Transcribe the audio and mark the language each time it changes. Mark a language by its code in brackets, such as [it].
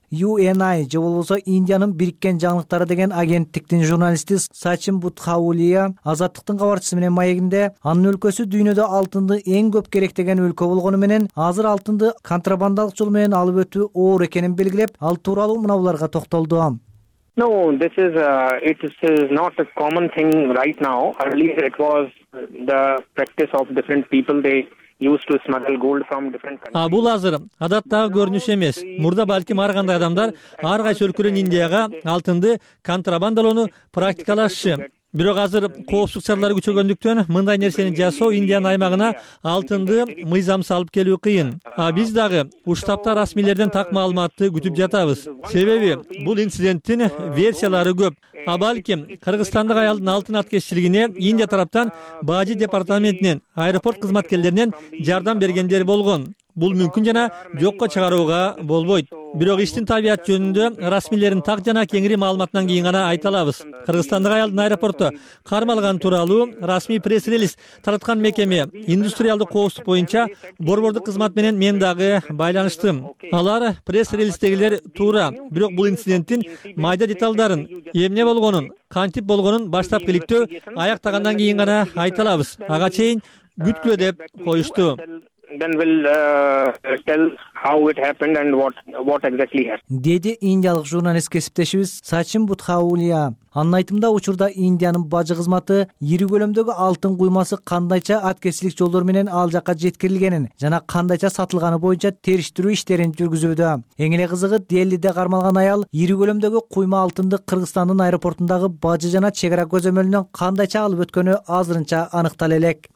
[ky] UNI же болбосо Индиянын бириккен жаңылыктары деген агенттиктин журналисти Сачин Бутхаулия Азаттыктын кабарчысы менен маегинде анын өлкөсү дүйнөдө алтынды эң көп керектеген өлкө болгону менен азыр алтынды контрабандалык жол менен алып өтүү оор экенин белгилеп, ал тууралуу мына буларга токтолду. [en] No, this is it is not a common thing right now. Earlier it was the practice of different people, they used to smuggle gold from different countries. [ky] А бул азыр адаттагы көрүнүш эмес. Мурда балким ар кандай адамдар ар кайсы өлкөдөн Индияга алтынды контрабандалоону практикалашчу. Бирок азыр коопсуздук чаралары күчөгөндүктөн мындай нерсени жасоо Индиянын аймагына алтынды мыйзамсыз алып келүү кыйын. А биз дагы уштапта расмийлерден так маалыматты күтүп жатабыз. Себеби бул инциденттин версиялары көп. А балким кыргызстандык аялдын алтын аткезчилигине Индия тараптан бажы департаментинен аэропорт кызматкерлеринен жардам бергендер болгон. Бул мүмкүн жана жокко чыгарууга болбойт. Бирок иштин табияты жөнүндө расмийлердин так жана кеңири маалыматынан кийин гана айта алабыз. Кыргызстандык аялдын аэропортто кармалганы тууралуу расмий пресс-релиз тараткан мекеме индустриалдык коопсуздук боюнча борбордук кызмат менен мен дагы байланыштым. Алар пресс-релиздегилер туура, бирок бул инциденттин майда деталдарын, эмне болгонун, кантип болгонун баштапкы иликтөө аяктагандан кийин гана айта алабыз. Ага чейин күткүлө деп коюшту. [en] Then we'll tell how it happened and what exactly happened. [ky] Деди индиялык журналист кесиптешибиз Сачин Бутхаулия. Анын айтымында учурда Индиянын бажы кызматы ири көлөмдөгү алтын куймасы кандайча аткезчилик жолдору менен ал жакка жеткирилгенин жана кандайча сатылганы боюнча териштирүү иштерин жүргүзүүдө. Эң эле кызыгы, Делиде кармалган аял ири көлөмдөгү куйма алтынды Кыргызстандын аэропортундагы бажы жана чек ара көзөмөлүнөн кандайча алып өткөнү азырынча аныктала элек.